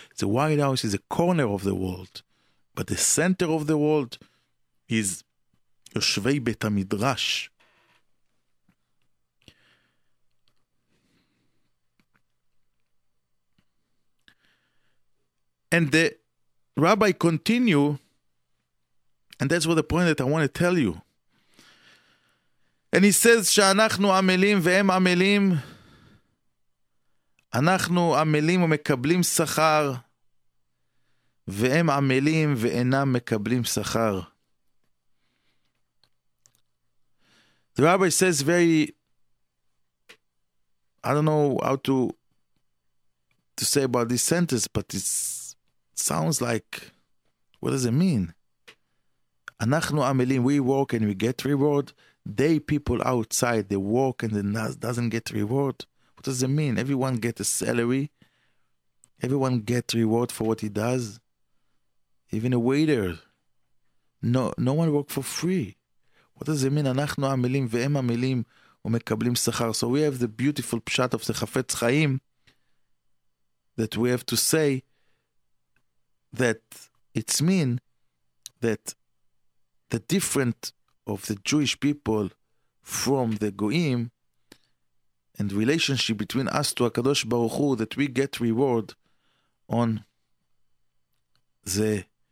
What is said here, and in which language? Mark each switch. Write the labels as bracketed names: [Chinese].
[English] The White House is the corner of the world. But the center of the world is Yoshvei Beit HaMidrash. And the rabbi continue, and that's what the point that I want to tell you. And he says, [Hebrew] שאנחנו עמלים והם עמלים, אנחנו עמלים ומקבלים שכר, והם עמלים ואינם מקבלים שכר. [English] The rabbi says very, I don't know how to say about this sentence, but it sounds like, what does it mean? [Hebrew] אנחנו עמלים, [English] we work and we get reward. They people outside, they work and they doesn't get reward. What does it mean? Everyone get a salary. Everyone get reward for what he does. Even a waiter, no one work for free. What does it mean? [Hebrew] אנחנו עמלים והם עמלים ומקבלים שכר. [English] So we have the beautiful pshat of the Chafetz Chaim that we have to say that it means that the different of the Jewish people from the Goyim and relationship between us to HaKadosh Baruch Hu, that we get reward on the